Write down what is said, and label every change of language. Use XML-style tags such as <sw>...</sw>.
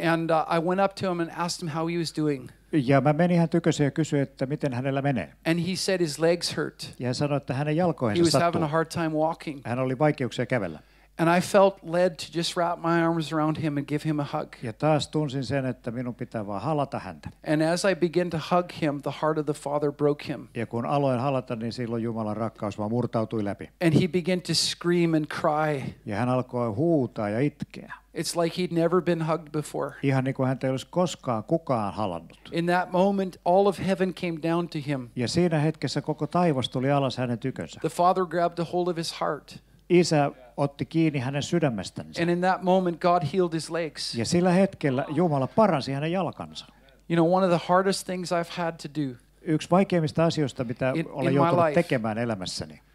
<en>And I went up to him and asked him how he was doing.</en> <fi>Ja mä menin hän tykönsä ja kysyin, että miten hänellä menee.</fi> <en>And he said his legs hurt.</en> <fi>Ja hän sanoi, että hänen jalkoihinsa sattuu.</fi> <en>He was having a hard time walking.</en> <fi>Hän oli vaikeuksia kävellä.</fi> <en>And I felt led to just wrap my arms around him and give him a hug.</en> <fi>Ja taas tunsin sen, että minun pitää vaan halata häntä.</fi> <en>And as I began to hug him, the heart of the Father broke him.</en> <fi>Ja kun aloin halata, niin silloin Jumalan rakkaus vaan murtautui läpi.</fi> <en>And he began to scream and cry.</en> <fi>Ja hän alkoi huutaa ja itkeä.</fi> <en>It's like he'd never been hugged before.</en> <fi>Ihan niin kuin häntä ei olisi koskaan kukaan halannut.</fi> <en>In that moment, all of heaven came down to him.</en> <fi>Ja siinä hetkessä koko taivas tuli alas hänen tykönsä.</fi> <en>The Father grabbed a hold of his heart.</en> <fi>Isä otti kiinni hänen sydämestänsä.</fi> <en>And in that moment God healed his legs.</en> <fi>Ja sillä hetkellä Jumala paransi hänen jalkansa.</fi> <en>You know, one of the hardest things I've had to do.</en> <fi>Yksi vaikeimmista asioista mitä olen joutunut tekemään elämässäni.</fi>